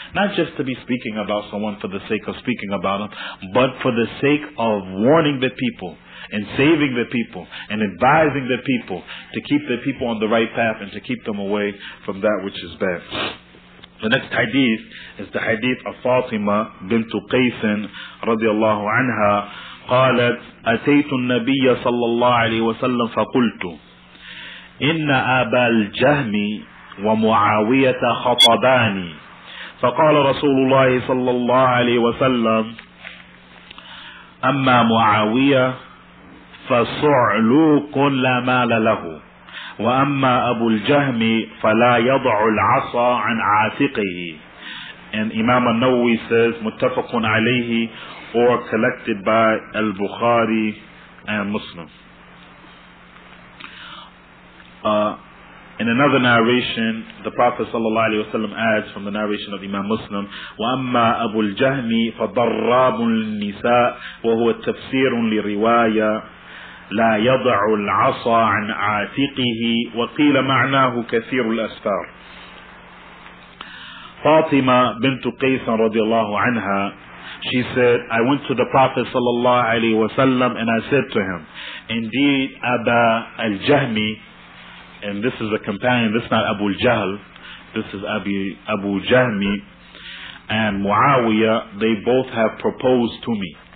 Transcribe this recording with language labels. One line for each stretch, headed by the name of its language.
English: Not just to be speaking about someone for the sake of speaking about him, but for the sake of warning the people and saving the people and advising the people to keep the people on the right path and to keep them away from that which is bad. The next hadith is the hadith of Fatima bint Qays radiallahu anha.
Arabic: قالت أتيت النبي صلى الله عليه وسلم فقلت إن أبا الجهم ومعاوية خطباني فقال رسول الله صلى الله عليه وسلم أما معاوية فصعلوك لا مال له وأما أبو الجهم فلا يضع العصا عن عاتقه.
English: And Imam An-Nawawi says
Arabic: متفق عليه
English: or collected by Al-Bukhari and Muslim. In another narration, the Prophet sallallahu alaihi wasallam adds from the narration of Imam Muslim,
Arabic: وَأَمَّا أَبُو الْجَهْمِ فَضَرَّابٌ لِلنِّسَاءِ وَهُوَ التَّفْسِيرٌ لِرِوَايَةِ لَا يَضَعُ الْعَصَى عَنْ عَاتِقِهِ وَقِيلَ مَعْنَاهُ كَثِيرُ الْأَسْفَارِ.
English: Fatima bint Qaysan radiallahu anha, she said, I went to the Prophet sallallahu alaihi wasallam and I said to him, indeed Aba al-Jahmi, and this is a companion, this is not Abu al-Jahl, this is Abu Jahmi and Muawiyah, they both have proposed to me.